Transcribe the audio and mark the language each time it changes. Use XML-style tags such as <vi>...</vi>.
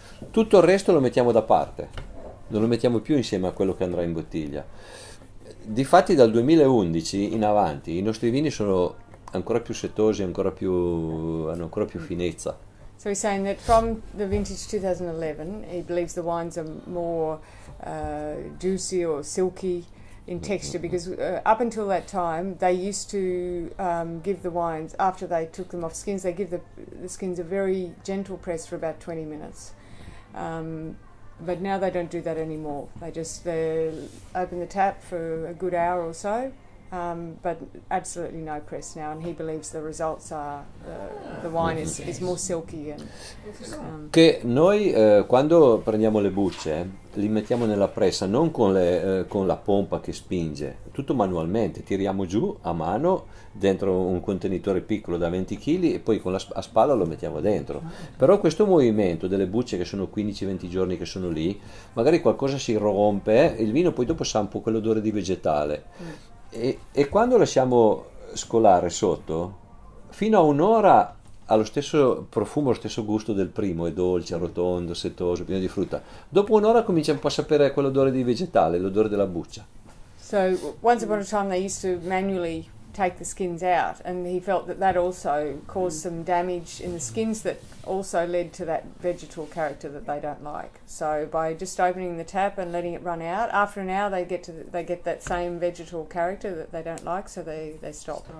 <it>Tutto il resto lo mettiamo da parte, non lo mettiamo più insieme a quello che andrà in bottiglia. Difatti dal 2011 in avanti i nostri vini sono ancora più setosi, hanno ancora più finezza.</it> <en>So he's saying that from the vintage 2011 he believes the wines are more juicy or silky in texture, because up until that time they used to give the wines, after they took them off skins, they give the skins a very gentle press for about 20 minutes. But now they don't do that anymore. They just open the tap for a good hour or so, but absolutely no press now. And he believes the results are the wine is more silky. And,</en> <it>che noi quando prendiamo le bucce li mettiamo nella pressa non con le con la pompa che spinge, tutto manualmente, tiriamo giù a mano dentro un contenitore piccolo da 20 kg e poi con la a spalla lo mettiamo dentro. Però questo movimento delle bucce che sono 15-20 giorni che sono lì, magari qualcosa si rompe, il vino poi dopo sa un po' quell'odore di vegetale. E quando lasciamo scolare sotto, fino a un'ora ha lo stesso profumo, lo stesso gusto del primo, è dolce, rotondo, setoso, pieno di frutta. Dopo un'ora comincia un po' a sapere quell'odore di vegetale, l'odore della buccia.</it> <en>So, once upon a time they used to manually take the skins out, and he felt that that also caused some damage in the skins that also led to that vegetal character that they don't like. So by just opening the tap and letting it run out, after an hour they get that same vegetal character that they don't like, so they stop.</en>